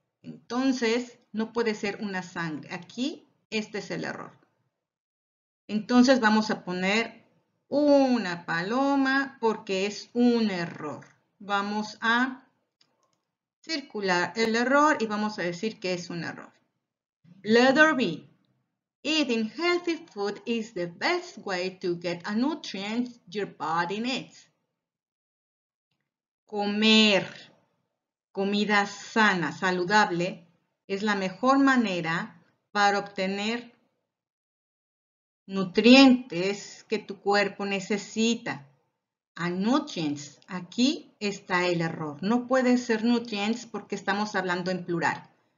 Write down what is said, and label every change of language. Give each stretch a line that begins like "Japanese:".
Spanish: Entonces, no puede ser una sangre. Aquí, este es el error. Entonces, vamos a poner una paloma porque es un error. Vamos a circular el error y vamos a decir que es un error.
English: Letter B. Eating healthy food is the best way to get a nutrient your body needs.
Spanish: Comer comida sana, saludable, es la mejor manera para obtener nutrientes que tu cuerpo necesita. A nutrients, aquí está el error. No puede ser nutrients porque estamos hablando en plural.